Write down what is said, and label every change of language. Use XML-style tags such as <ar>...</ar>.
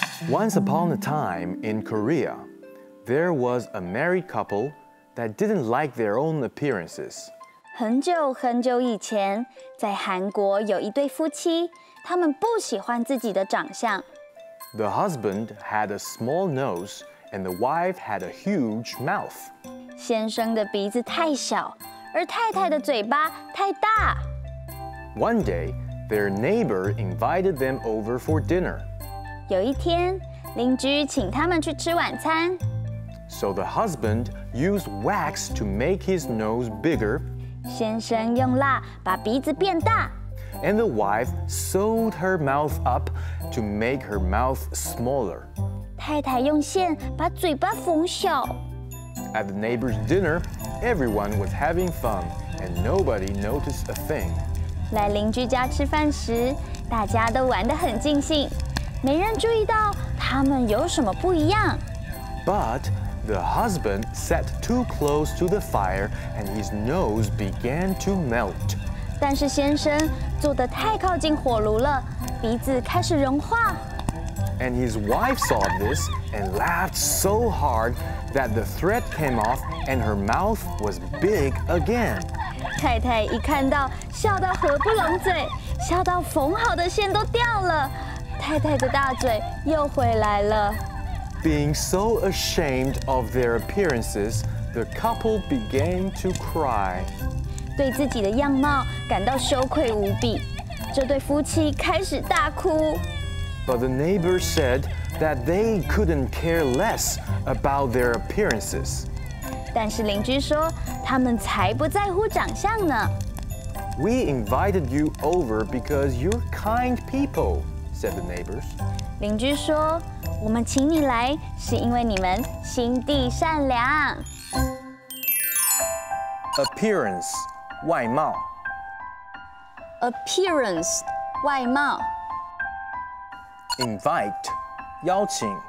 <en>Once upon a time in Korea, there was a married couple that didn't like their own appearances.</en> <zh>很久很久以前，在韩国有一对夫妻，他们不喜欢自己的长相。</zh> <en>The husband had a small nose and the wife had a huge mouth.</en> <zh>先生的鼻子太小，而太太的嘴巴太大。</zh> <en>One day, their neighbor invited them over for dinner.</en> <zh>有一天，邻居请他们去吃晚餐。</zh> <en>So the husband used wax to make his nose bigger.</en> <zh>先生用蜡把鼻子变大。</zh> <en>And the wife sewed her mouth up to make her mouth smaller.</en> <zh>太太用线把嘴巴缝小。</zh> <en>At the neighbor's dinner, everyone was having fun and nobody noticed a thing.</en> <zh>来邻居家吃饭时，大家都玩得很尽兴，没人注意到他们有什么不一样。</zh> <en>But the husband sat too close to the fire and his nose began to melt.</en> <zh>但是先生坐得太靠近火炉了，鼻子开始融化。</zh> <en>And his wife saw this and laughed so hard that the thread came off and her mouth was big again.</en> <zh>太太一看到，笑到合不拢嘴，笑到缝好的线都掉了，太太的大嘴又回来了。</zh> <en>Being so ashamed of their appearances, the couple began to cry.</en> <zh>对自己的样貌感到羞愧无比，这对夫妻开始大哭。</zh> <en>But the neighbor said that they couldn't care less about their appearances.</en> <zh>但是邻居说，他们才不在乎长相呢。</zh> <en>We invited you over because you're kind people, said the neighbors.</en> <zh>邻居说，我们请你来是因为你们心地善良。</zh> <en>Appearance, 外貌。 Appearance, 外貌。 Invite, 邀请。</en>